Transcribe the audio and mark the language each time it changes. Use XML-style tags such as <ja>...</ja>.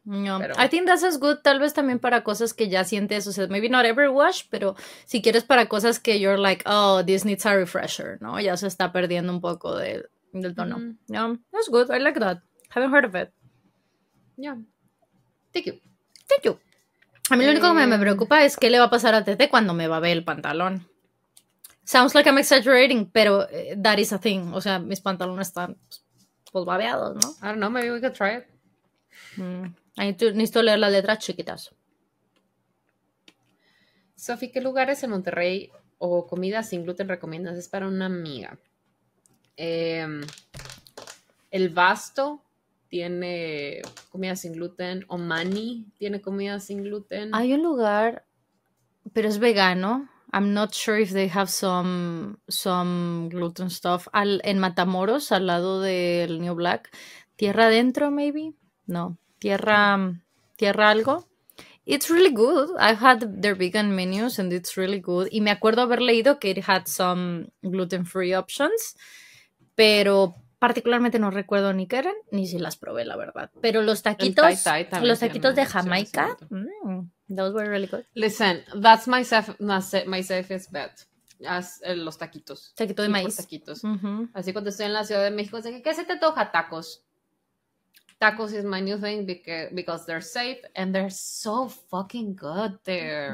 <es>No, pero</es> <en>I think that's as good,</en> <es>tal vez también para cosas que ya sientes, o sea,</es> <en>maybe not every wash,</en> <es>pero si quieres para cosas que</es> <en>you're like, oh, this needs a refresher,</en> <es>¿no? Ya se está perdiendo un poco del tono.</es> <en>That's good, I like that. Haven't heard of it. Thank you.</en> <es>A mí lo único que me preocupa es qué le va a pasar a Tete cuando me babe el pantalón.</es> <en>Sounds like I'm exaggerating,</en> <es>pero</es> <en>that is a thing.</en> <es>O sea, mis pantalones están pues babeados, ¿no?</es> <en>I don't know, maybe we could try it.</en> <es>Necesito leer las letras chiquitas. Sofi, ¿qué lugares en Monterrey o comida sin gluten recomiendas? Es para una amiga. El Vasto tiene comida sin gluten. Omani tiene comida sin gluten. Hay un lugar, pero es vegano.</es> <en>I'm not sure if they have some gluten stuff.</en> <es>En Matamoros, al lado del New Black. Tierra adentro,</es> <en>maybe.</en> <es>No, tierra algo.</es> <en>It's really good. I've had their vegan menus and it's really good.</en> <es>Y me acuerdo haber leído que</es> <en>it had some gluten free options.</en> <es>Pero particularmente no recuerdo ni qué eran, ni si las probé, la verdad. Pero los taquitos de Jamaica,</es> <en>those were really good. Listen, that's my safest bet.</en> <es>los taquitos. Taquito de maíz. Taquitos. Uh-huh. Así cuando estoy en la Ciudad de México, dije, ¿qué se te antoja? Tacos.</es> <en>Tacos is my new thing because they're safe and they're so fucking good there.</en>